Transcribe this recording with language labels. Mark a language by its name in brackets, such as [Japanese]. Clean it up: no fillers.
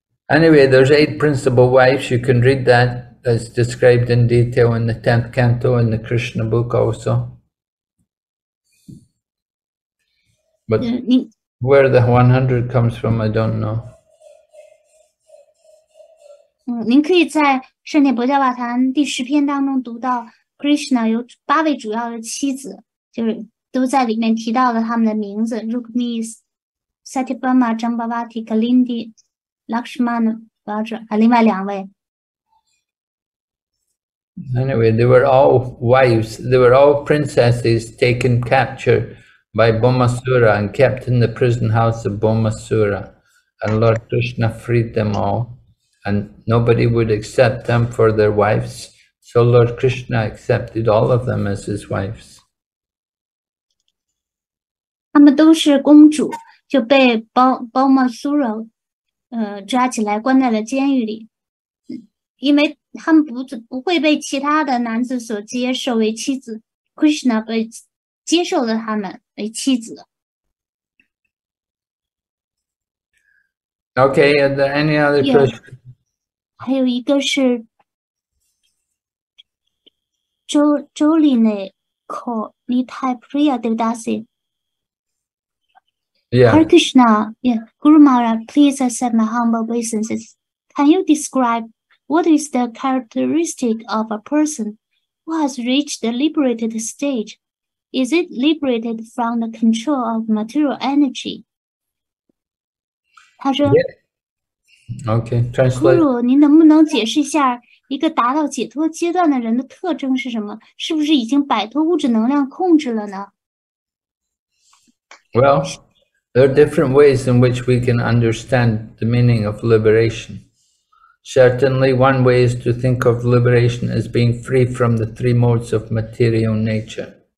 [English] Anyway, there's 8 principal wives. You can read that. It's described in detail in the 10th canto in the Krishna book also. But where the 100 comes from, I don't know. [Chinese] 您可以在圣殿博加瓦坛第10篇当中读到 Krishna有8位主要的妻子， 都在里面提到了他们的名字， Rukmini, Satyabhama, Jambavati, Kalindi, Lakshmana, Vajra, 另外2位。 [English] Anyway, they were all wives, they were all princesses taken capture by Bhomasura and kept in the prison house of Bhomasura. And Lord Krishna freed them all, and nobody would accept them for their wives. So Lord Krishna accepted all of them as his wives. [Chinese] 他们都是公主，就被Bhomasura抓起来关在了监狱里，因为他们不会被其他的男子所接受为妻子，Krishna被接受了他们为妻子。 [English] Okay, are there any other questions? [Chinese] 还有一个是 Jolene Kolitai Priya Devdasi. [English] Yeah. Hare Krishna, yeah. Guru Maharaj, please accept my humble obeisances. Can you describe what is the characteristic of a person who has reached the liberated stage? Is it liberated from the control of material energy? [Chinese] 他说, [English] yeah. Okay, translate. [Chinese] Guru, 您能不能解释一下一个达到解脱阶段的人的特征是什么? 是不是已经摆脱物质能量控制了呢? [English] Well, there are different ways in which we can understand the meaning of liberation. Certainly, one way is to think of liberation as being free from the three modes of material nature.